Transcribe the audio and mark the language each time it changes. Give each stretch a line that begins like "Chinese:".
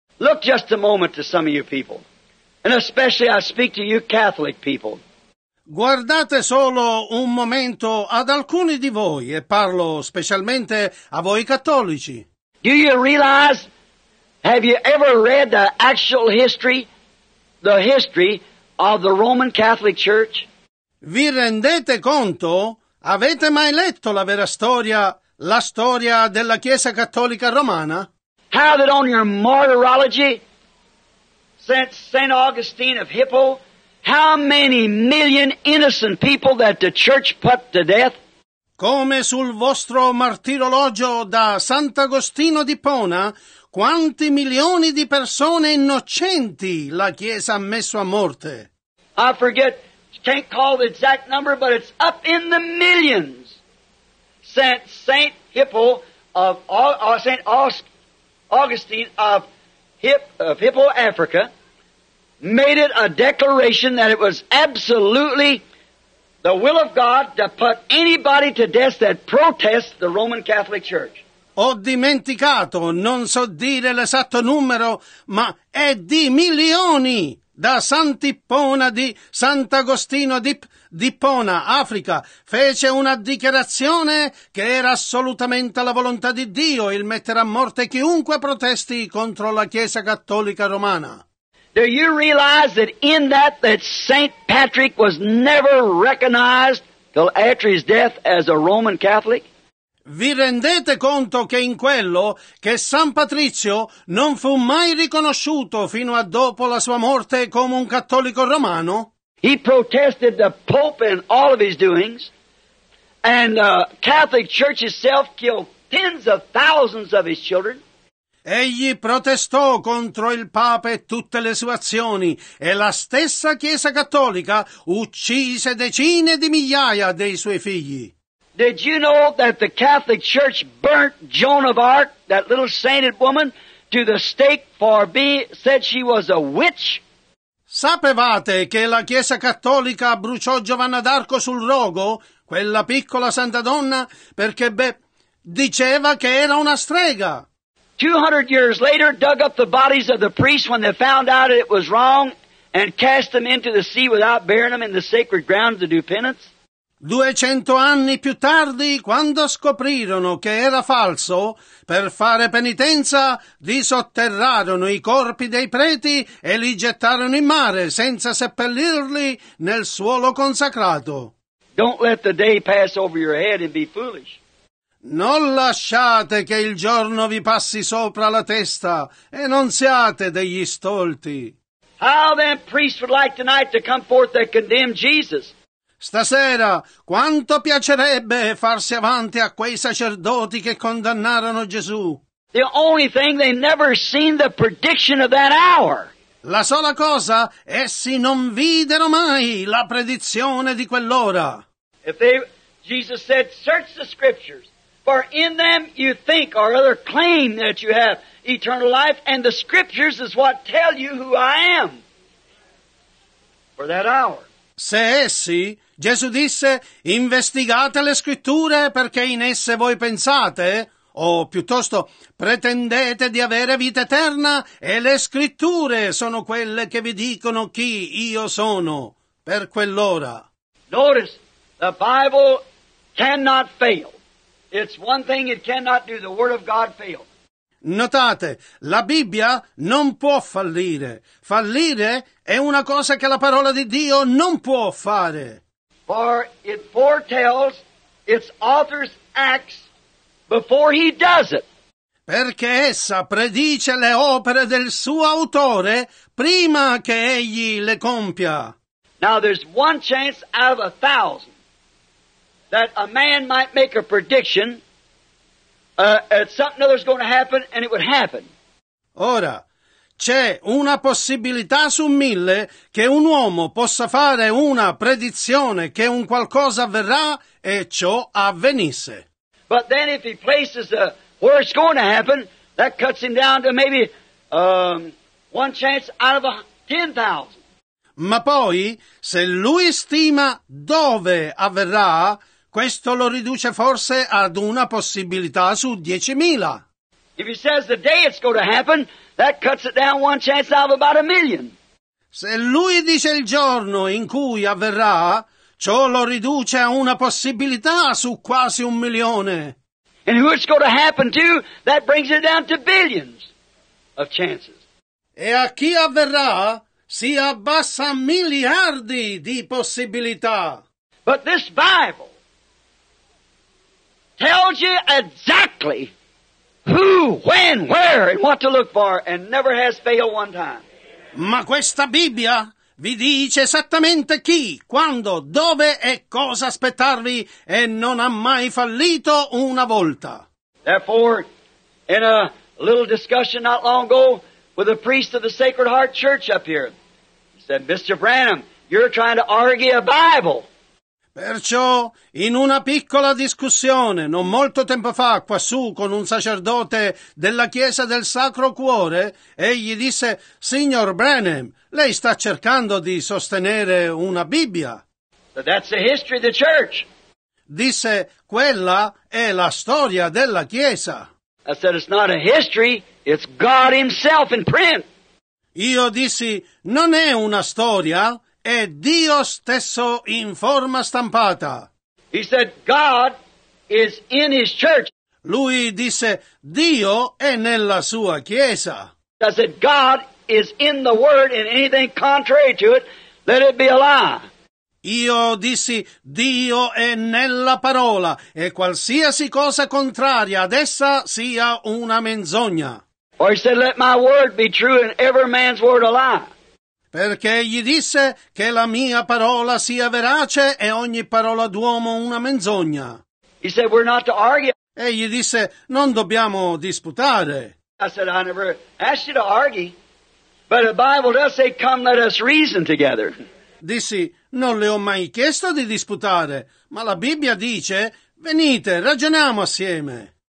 English: Look just a moment to some of you people. And especially I speak to you Catholic people.
Italian: Guardate solo un momento ad alcuni di voi e parlo specialmente a voi cattolici.
English: Do you realize, have you ever read the actual history, the history of the Roman Catholic Church?
Italian: Vi rendete conto? Avete mai letto la vera storia, la storia della Chiesa Cattolica Romana?
English: How that on your martyrology, since St. Augustine of Hippo, how many million innocent people that the church put to death?
Italian: Come sul vostro martirologio da Sant'Agostino di Pona, quanti milioni di persone innocenti la Chiesa ha messo a morte?
English: I forget, can't call the exact number, but it's up in the millions. Since St. Hippo of, St. Augustine of, Hippo, Africa, made it a declaration that it was absolutely the will of God to put anybody to death that protests the Roman Catholic Church.
Italian: Ho dimenticato, non so dire l'esatto numero, ma è di milioni da Sant'Ippona di Sant'Agostino di Ippona, Africa, fece una dichiarazione che era assolutamente la volontà di Dio il mettere a morte chiunque protesti contro la Chiesa Cattolica Romana.
English: Do you realize that in that, that St. Patrick was never recognized till after his death as a Roman Catholic?
Italian: Vi rendete conto che in quello, che San Patrizio non fu mai riconosciuto fino a dopo la sua morte come un cattolico romano?
English: He protested the Pope and all of his doings, and the Catholic Church itself killed tens of thousands of his children.
Italian: Egli protestò contro il Papa e tutte le sue azioni, e la stessa Chiesa Cattolica uccise decine di migliaia dei suoi figli.
English: Did you know that the Catholic Church burnt Joan of Arc, that little sainted woman, to the stake for being said she was a witch?
Italian: Sapevate che la Chiesa Cattolica bruciò Giovanna d'Arco sul rogo, quella piccola santa donna, perché, beh, diceva che era una strega?
English: 200 years later, dug up the bodies of the priests when they found out it was wrong and cast them into the sea without burying them in the sacred ground to do penance.
Italian: 200 anni più tardi, quando scoprirono che era falso, per fare penitenza, disotterrarono i corpi dei preti e li gettarono in mare senza seppellirli nel suolo consacrato.
English: Don't let the day pass over your head and be foolish.
Italian: Non lasciate che il giorno vi passi sopra la testa e non siate degli stolti.
English: How then priests would like tonight to come forth and condemn Jesus?
Italian: Stasera, quanto piacerebbe farsi avanti a quei sacerdoti che condannarono Gesù?
English: The only thing, they never seen the prediction of that hour.
Italian: La sola cosa, essi non videro mai la predizione di quell'ora.
English: If they, Jesus said, search the scriptures. For in them you think, or other claim that you have eternal life, and the scriptures is what tell you who I am for that hour.
Italian: se essi, Gesù disse, investigate le scritture perché in esse voi pensate, o piuttosto pretendete di avere vita eterna, e le scritture sono quelle che vi dicono chi io sono per quell'ora.
English: Notice, the Bible cannot fail. It's one thing it cannot do, the Word of God fails.
Italian: Notate, la Bibbia non può fallire. Fallire è una cosa che la parola di Dio non può fare.
English: For it foretells its author's acts before he does it.
Italian: Perché essa predice le opere del suo autore prima che egli le compia.
English: Now there's one chance out of a thousand that a man might make a prediction. Something other's going to happen, and it would happen.
Italian: Ora, c'è una possibilità su mille che un uomo possa fare una predizione che un qualcosa avverrà e ciò avvenisse.
English: But then if he places where it's going to happen, that cuts him down to maybe one chance out of 10,000.
Italian: Ma poi, se lui stima dove avverrà, questo lo riduce forse ad una possibilità su 10,000.
English: If he says the day it's going to happen, that cuts it down one chance out of about 1,000,000.
Italian: Se lui dice il giorno in cui avverrà, ciò lo riduce a una possibilità su quasi 1,000,000.
English: And who it's going to happen to, that brings it down to billions of chances.
Italian: E a chi avverrà, si abbassa miliardi di possibilità.
English: But this Bible tells you exactly who, when, where, and what to look for, and never has failed one time.
Italian: Ma questa Bibbia vi dice esattamente chi, quando, dove e cosa aspettarvi, e non ha mai fallito una volta.
English: Therefore, in a little discussion not long ago with a priest of the Sacred Heart Church up here, he said, Mr. Branham, you're trying to argue a Bible.
Italian: Perciò, in una piccola discussione, non molto tempo fa, quassù, con un sacerdote della Chiesa del Sacro Cuore, egli disse, Signor Branham, lei sta cercando di sostenere una Bibbia.
English: So that's the history of the church.
Italian: Disse, quella è la storia della Chiesa.
English: I said, it's not a history, it's God himself in print.
Italian: Io dissi, non è una storia. È Dio stesso in forma stampata.
English: He said, God is in his church.
Italian: Lui disse, Dio è nella sua chiesa.
English: I said, God is in the word, and anything contrary to it, let it be a lie.
Italian: Io dissi, Dio è nella parola, e qualsiasi cosa contraria ad essa sia una menzogna.
English: Or he said, let my word be true, and every man's word a lie.
Italian: Perché egli disse che la mia parola sia verace e ogni parola d'uomo una menzogna.
English: He said, we're not to argue.
Italian: Egli disse, non dobbiamo disputare.
English: I said, I never asked you to argue, but the Bible does say, come let us reason together.
Italian: Dissi, non le ho mai chiesto di disputare, ma la Bibbia dice, venite, ragioniamo assieme.